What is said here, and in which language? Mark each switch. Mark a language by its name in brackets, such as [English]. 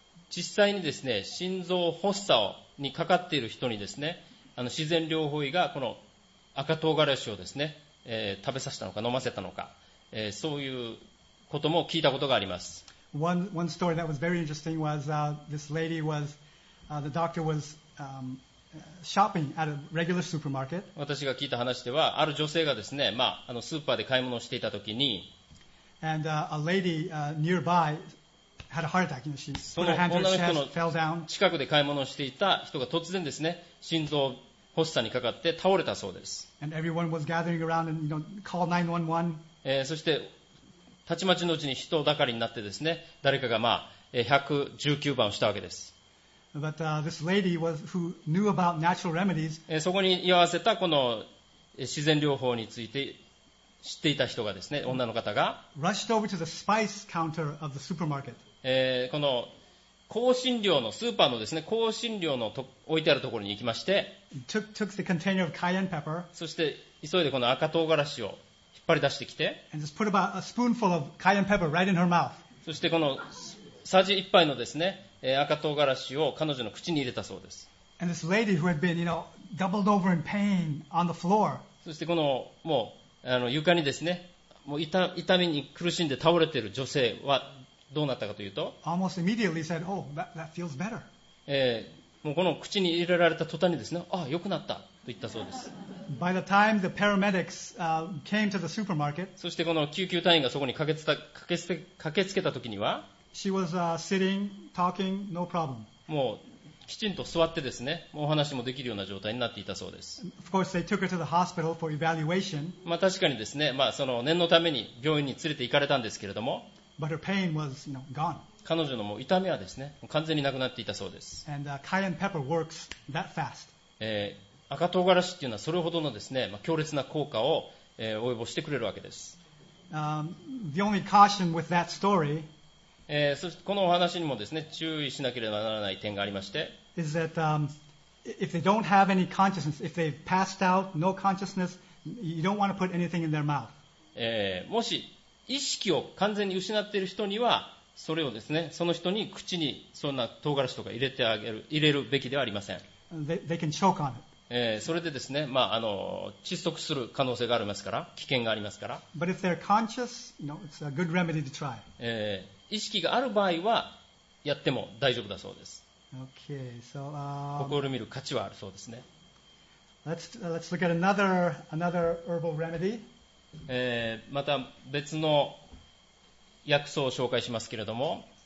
[Japanese] 実際にですね、心臓発作にかかっている人にですね、自然療法医がこの赤唐辛子をですね、食べさせたのか飲ませたのか、そういうことも聞いたことがあります。 [English] One story that was very interesting was this lady was the doctor was shopping at a regular supermarket. [Japanese] 私が聞いた話では、ある女性がですね、まあスーパーで買い物をしていたときに、 [English] and a lady nearby had a heart attack. You know, she put her hand to her chest, fell down. [Japanese] 近くで買い物をしていた人が突然ですね、心臓発作にかかって倒れたそうです。 [English] And everyone was gathering around and called 911. [Japanese] そして。たちまちのうちに人だかりになってですね、誰かが、まあ、119番をしたわけです。 [English] But, this lady was, who knew about natural remedies, [Japanese] そこに居合わせたこの自然療法について知っていた人がですね、女の方が、 [English] rushed over to the spice counter of the supermarket. [Japanese] この香辛料のスーパーのですね、香辛料の置いてあるところに行きまして、 [English] took the container of cayenne pepper, [Japanese] そして急いでこの赤唐辛子を引っ張り出してきて、そしてこのさじ一杯のですね、赤唐辛子を彼女の口に入れたそうです。そしてこのもう床にですね、もう 痛みに苦しんで倒れている女性はどうなったかというと、 [English] almost immediately said, oh, that feels better. [Japanese] もうこの口に入れられた途端にですね、ああ良くなったと言ったそうです。 [English] By the time the paramedics came to the supermarket, [Japanese] そしてこの救急隊員がそこに駆けつけた時には、 [English] She was sitting, talking, no problem. [Japanese] もうきちんと座ってですね、お話もできるような状態になっていたそうです。 [English] Of course, they took her to the hospital for evaluation. [Japanese] まあ確かにですね、まあ、その念のために病院に連れて行かれたんですけれども、 [English] But her pain was, gone. [Japanese] 彼女のもう痛みはですね、完全になくなっていたそうです。 [English] And cayenne pepper works that fast. [Japanese] 赤唐辛子というのはそれほどのですね、まあ、強烈な効果を、及ぼしてくれるわけです。 [English] The only caution with that story, [Japanese] そしてこのお話にもですね、注意しなければならない点がありまして、 [English] is that, if they don't have any consciousness, if they've passed out, no consciousness, you don't want to put anything in their mouth. [Japanese] もし意識を完全に失っている人には、それをですね、その人に口にそんな唐辛子とか入れるべきではありません。 [English] They can choke on it. [Japanese] それでですね、まあ、窒息する可能性がありますから、危険がありますから。 [English] But if they're conscious, it's a good remedy to try. [Japanese] 意識がある場合はやっても大丈夫だそうです。 [English] Okay, so, [Japanese] 心を見る価値はあるそうですね。 [English] Let's look at another herbal remedy. [Japanese] また別の薬草を紹介しますけれども、